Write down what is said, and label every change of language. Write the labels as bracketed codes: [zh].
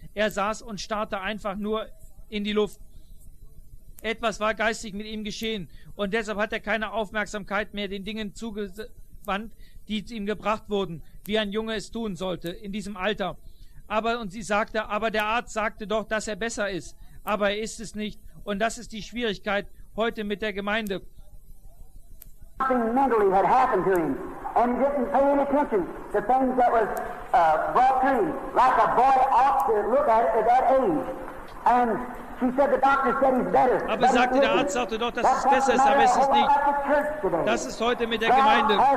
[de] Er saß und starrte einfach nur in die Luft. Etwas war geistig mit ihm geschehen und deshalb hat er keine Aufmerksamkeit mehr den Dingen zugewandt, die zu ihm gebracht wurden, wie ein Junge es tun sollte in diesem Alter. Aber der Arzt sagte doch, dass er besser ist. Aber er ist es nicht und das ist die Schwierigkeit heute mit der Gemeinde. [en] Something mentally had happened to him, and he didn't pay any attention to things that was brought to him, like a boy ought to look at it at that age. And she said the doctor said he's better. [de] Aber sagte der Arzt sagte doch, dass es besser ist, aber es ist nicht. Das ist heute mit der Gemeinde.